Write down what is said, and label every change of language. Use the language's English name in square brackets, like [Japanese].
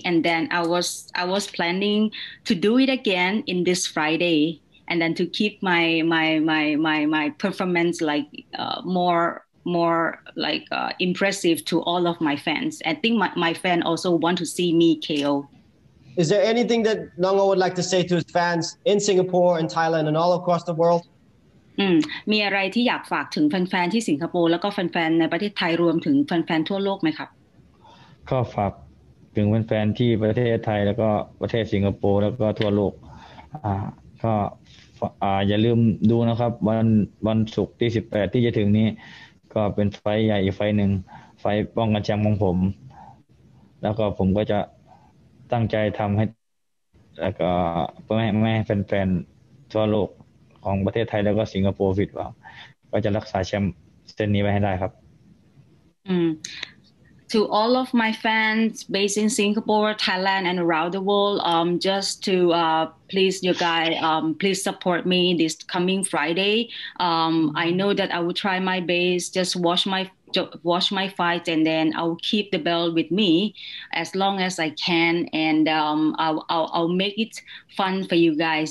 [English] And then I was planning to do it again in this Friday, and then to keep my performance like more like impressive to all of my fans. I think my fan also want to see me KO. Is there anything that Nongo would like to say to his fans in Singapore and Thailand and all across the world? [Thai] มีอะไรที่อยากฝากถึงแฟนๆที่สิงคโปร์แล้วก็แฟนๆในประเทศไทยรวมถึงแฟนๆทั่วโลกไหมครับ ก็ฝากถึงแฟนๆที่ประเทศไทยแล้วก็ประเทศสิงคโปร์แล้วก็ทั่วโลกก็อย่าลืมดูนะครับวันศุกร์ที่18ที่จะถึงนี้ก็เป็นไฟใหญ่อีกไฟหนึ่งไฟป้องกันแชมป์ของผมแล้วก็ผมก็จะตั้งใจทำให้แล้วก็ไม่ให้แฟนๆทั่วโลกของประเทศไทยแล้วก็สิงคโปร์ฟิตว่าก็จะรักษาแชมป์เส้นนี้ไว้ให้ได้ครับ [English] To all of my fans based in Singapore, Thailand, and around the world, just to please you guys, please support me this coming Friday. I know that I will try my best. Just watch my fight, and then I'll keep the belt with me as long as I can, and I'll make it fun for you guys.